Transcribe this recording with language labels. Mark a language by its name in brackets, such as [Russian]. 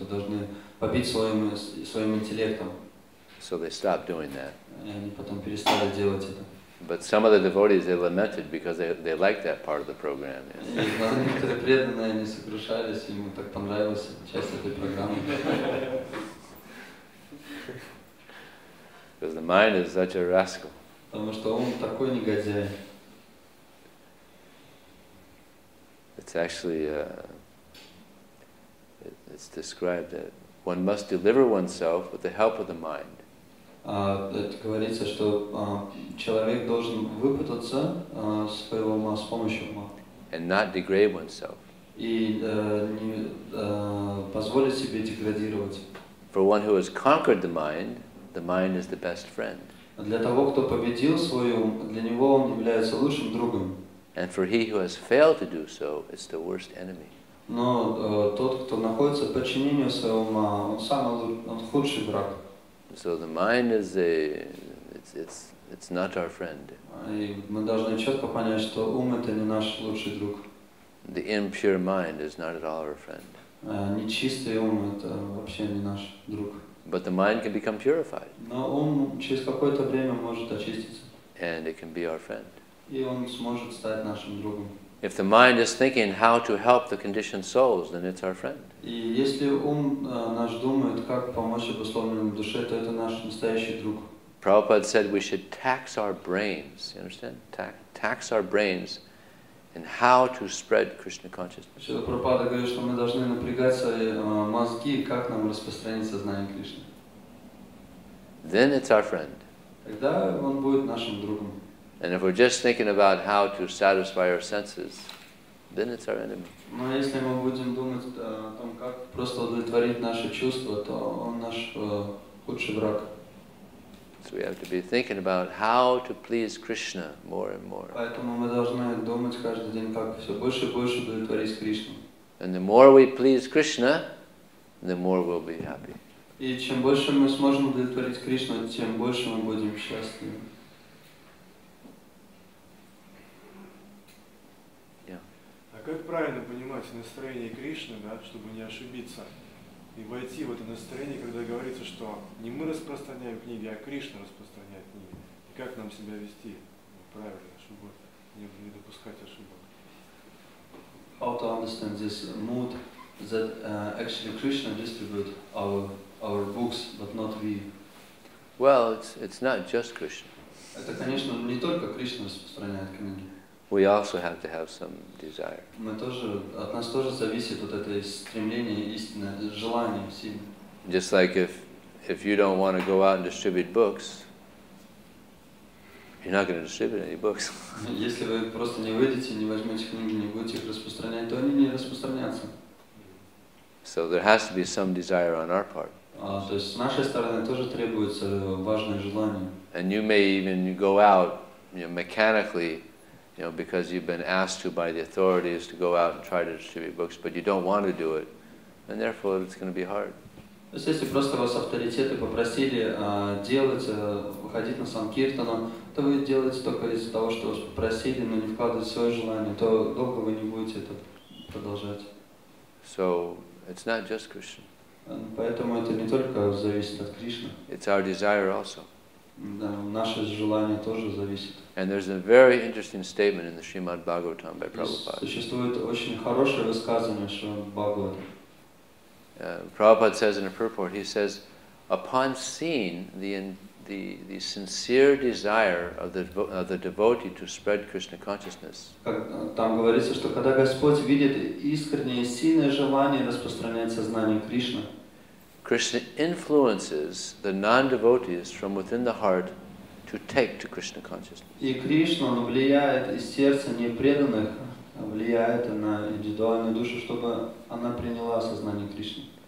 [Russian] Вы должны побить своим интеллектом. [English] So they stopped doing that. [Russian] Они потом перестали делать это. [English] But some of the devotees they lamented because they liked that part of the program. [Russian] Некоторые преданные не сокрушались, ему так понравилась часть этой программы. [English] Because the mind is such a rascal. [Russian] Потому что ум такой негодяй. [English] It's actually it's described that one must deliver oneself with the help of the mind. [Russian] Это говорится, что человек должен выпутаться своего ума с помощью ума. [English] And not degrade oneself. [Russian] И не позволить себе деградировать. [English] For one who has conquered the mind is the best friend. [Russian] Для того, кто победил свой ум, для него он является лучшим другом. [English] And for he who has failed to do so, it's the worst enemy. [Russian] Но тот, кто находится в подчинении своего ума, он самый худший враг. [English] So the mind is it's not our friend. [Russian] И мы должны четко понять, что ум это не наш лучший друг. [English] The impure mind is not at all our friend. [Russian] Нечистый ум это вообще не наш друг. [English] But the mind can become purified. [Russian] Но ум через какое-то время может очиститься. [English] And it can be our friend. [Russian] И он сможет стать нашим другом. [English] If the mind is thinking how to help the conditioned souls, then it's our friend. [Russian] И если ум наш думает, как помочь обусловленным душе, то это наш настоящий друг. [English] Prabhupada said we should tax our brains. You understand? Tax our brains in how to spread Krishna consciousness. [Russian] Шрила Прабхупада говорит, что мы должны напрягать свои мозги, как нам распространить сознание Кришны. [English] Then it's our friend. [Russian] Тогда он будет нашим другом. [English] And if we're just thinking about how to satisfy our senses, then it's our enemy. [Russian] Но если мы будем думать о том, как просто удовлетворить наши чувства, то он наш худший враг. [English] So we have to be thinking about how to please Krishna more and more. [Russian] Поэтому мы должны думать каждый день, как все больше и больше удовлетворить Кришну. [English] And the more we please Krishna, the more we'll be happy. [Russian] И чем больше мы сможем удовлетворить Кришну, тем больше мы будем счастливы. Как правильно понимать настроение Кришны, да, чтобы не ошибиться и войти в это настроение, когда говорится, что не мы распространяем книги, а Кришна распространяет книги? И как нам себя вести правильно, чтобы не допускать ошибок? [English] How to understand this mood that actually Krishna distributes our books, but not we? Well, it's not just Krishna. [Russian] Это, конечно, не только Кришна распространяет книги. [English] We also have to have some desire. [Russian] Мы тоже от нас тоже зависит вот это стремление истинное, желание сильное. [English] Just like if you don't want to go out and distribute books, you're not going to distribute any books. [Russian] Если вы просто не выйдете, не возьмете книги, не будете их распространять, то они не распространятся. [English] So there has to be some desire on our part. [Russian] То есть с нашей стороны тоже требуется важное желание. [English] And you may even go out you know, mechanically, you know, because you've been asked to by the authorities to go out and try to distribute books, but you don't want to do it, and therefore it's going to be hard. [Russian] То есть, если просто вас авторитеты попросили выходить на санкиртана, то вы делаете только из-за того, что вас попросили, но не вкладываете свое желание, то долго вы не будете это продолжать. [English] So, it's not just Krishna. [Russian] Поэтому это не только зависит от Кришны. [English] It's our desire also. [Russian] Да, наше желание тоже зависит. [English] And there's a very interesting statement in the Srimad Bhagavatam by Prabhupada. [Russian] Существует очень хорошее высказывание Шримад Бхагаватам. [English] Prabhupada says in a purport, he says, upon seeing the sincere desire of the devotee to spread Krishna consciousness, [Russian] там говорится, что когда Господь видит искреннее сильное желание распространять сознание Кришны, [English] Krishna influences the non-devotees from within the heart to take to Krishna consciousness. [Russian] И Кришна влияет из сердца непреданных, влияет на индивидуальную душу, чтобы она приняла сознание Кришны.